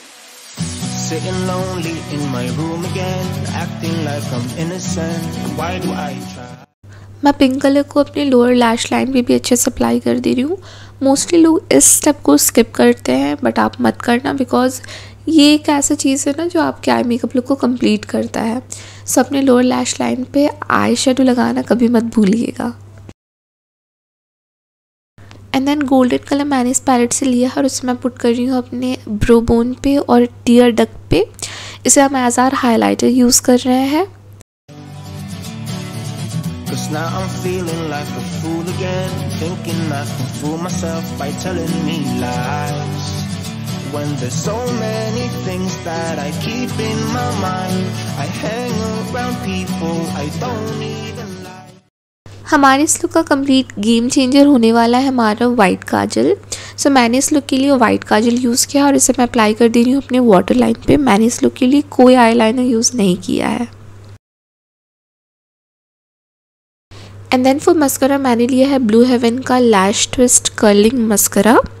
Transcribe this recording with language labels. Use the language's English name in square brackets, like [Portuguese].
[English] Sitting lonely in my room again, acting like I'm innocent. Why do I try? [Hindi] मैं pink colour को अपने lower lash line पे भी अच्छे से अप्लाई कर दे रही हूँ. मोस्टली लोग इस स्टेप को स्किप करते हैं बट आप मत करना बिकॉज ये एक ऐसा चीज़ है ना जो आपके आई मेकअप लुक को कंप्लीट करता है. सो अपने लोअर लैश लाइन पे आई शेडो लगाना कभी मत भूलिएगा. एंड देन गोल्डन कलर मैंने इस पैलेट से लिया है और उसे मैं पुट कर रही हूँ अपने ब्रो बोन पे और टियर डक पे. इसे हम एज आर हाईलाइटर यूज़ कर रहे हैं. [English] Cause now I'm feeling like a fool again, thinking I can fool myself by telling me lies. When there's so many things that I keep in my mind, I hang around people I don't even like. [Hindi] हमारे इस look का complete game changer होने वाला है हमारा white काजल. सो मैंने इस look के लिए व्हाइट काजल यूज़ किया और इसे मैं अप्लाई कर दे रही हूँ अपने वाटर लाइन पे. मैंने इस लुक के लिए कोई आईलाइनर यूज़ नहीं किया है. एंड देन फॉर मस्करा मैंने लिया है ब्लू हेवन का लैश ट्विस्ट कर्लिंग मस्करा.